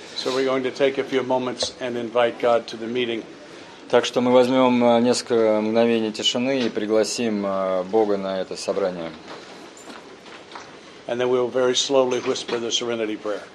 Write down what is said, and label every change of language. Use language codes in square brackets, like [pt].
[en] So we're going to take a few moments and invite God to the meeting. [ru] Так что мы возьмем несколько мгновений тишины и пригласим Бога на это собрание. [en] And then we will very slowly whisper the Serenity Prayer.